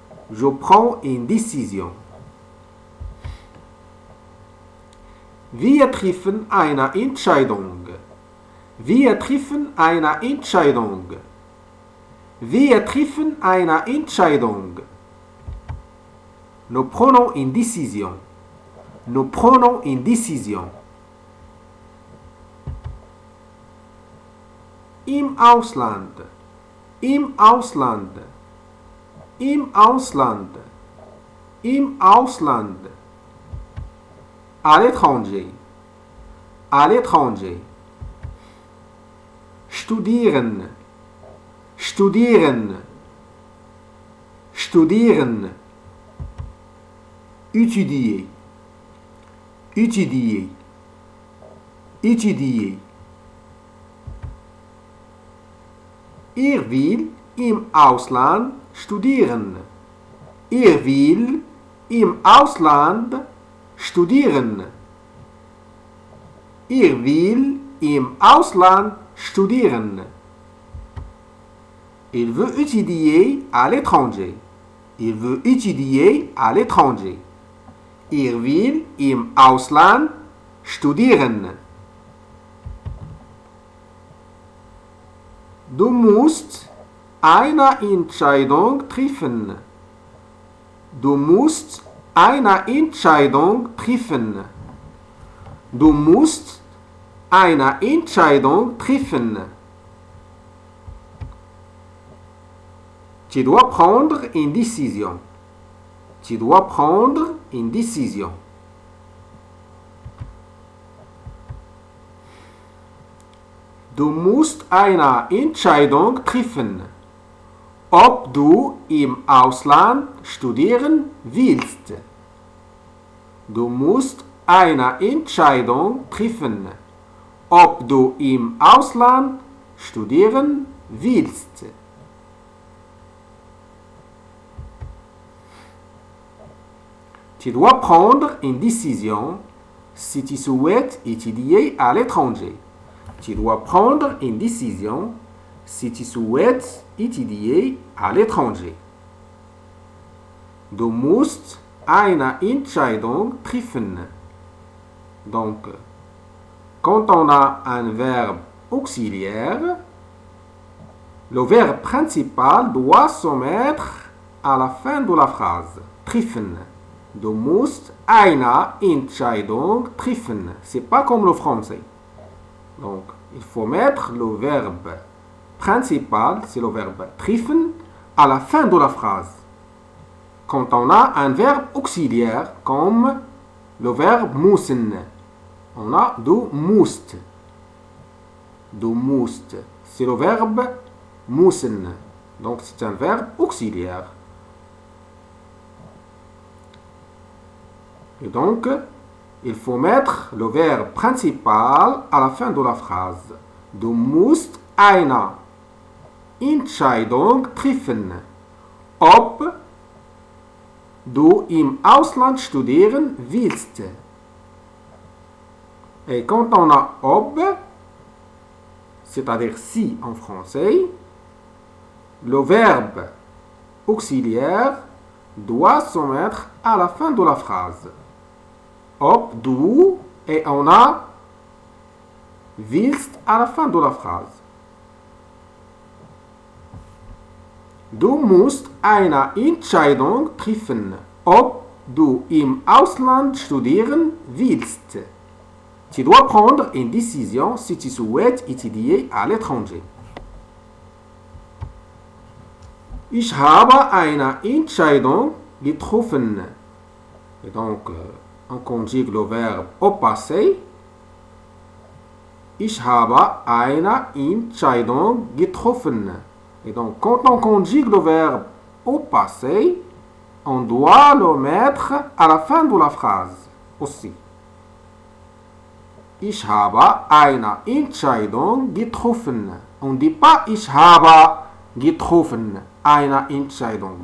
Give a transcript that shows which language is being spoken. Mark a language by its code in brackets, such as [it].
[fr] Je prends une décision. [de] Wir treffen eine Entscheidung. Wir treffen eine Entscheidung. Wir treffen eine Entscheidung. [fr] Nous prenons une décision. Nous prenons une décision. [de] Im Ausland. Im Ausland. Im Ausland. Im Ausland. [fr] À l'étranger. À l'étranger. [de] Studieren. Studieren. Studieren. [fr] Étudier. Étudier. Étudier. [de] Er will im Ausland studieren. Er will im Ausland studieren. Er will im Ausland studieren. [fr] Il veut étudier à l'étranger. Il veut étudier à l'étranger. [de] Er will im Ausland studieren. Du musst eine Entscheidung treffen. Du musst eine Entscheidung treffen. Du musst eine Entscheidung treffen. [fr] Tu dois prendre une décision. Tu dois prendre une décision. [de] Du musst eine Entscheidung treffen, ob du im Ausland studieren willst. Du musst eine Entscheidung treffen, ob du im Ausland studieren willst. [fr] Tu dois prendre une décision si tu souhaites étudier à l'étranger. Tu dois prendre une décision si tu souhaites étudier à l'étranger. [de] Du musst eine Entscheidung treffen. [fr] Donc, quand on a un verbe auxiliaire, le verbe principal doit se mettre à la fin de la phrase. [de] Treffen. Du musst eine Entscheidung treffen. [fr] C'est pas comme le français. Donc, il faut mettre le verbe principal, c'est le verbe treffen, à la fin de la phrase. Quand on a un verbe auxiliaire, comme le verbe müssen, on a [de] du musst. Du musst, [fr] c'est le verbe müssen. Donc c'est un verbe auxiliaire. Et donc, Il faut mettre le verbe principal à la fin de la phrase. [de] Du musst einer Entscheidung treffen, ob du im Ausland studieren willst. [fr] Et quand on a ob, c'est-à-dire si en français, le verbe auxiliaire doit se mettre à la fin de la phrase. [de] Ob du [fr] et on a willst à la fin de la phrase. [de] Du musst eine Entscheidung treffen, ob du im Ausland studieren willst. [fr] Tu dois prendre une décision si tu souhaites étudier à l'étranger. [de] Ich habe eine Entscheidung getroffen. [fr] Et donc, on conjugue le verbe au passé. [de] Ich habe eine Entscheidung getroffen. [fr] Et donc, quand on conjugue le verbe au passé, on doit le mettre à la fin de la phrase aussi. [de] Ich habe eine Entscheidung getroffen. [fr] On ne dit pas [de] Ich habe getroffen eine Entscheidung.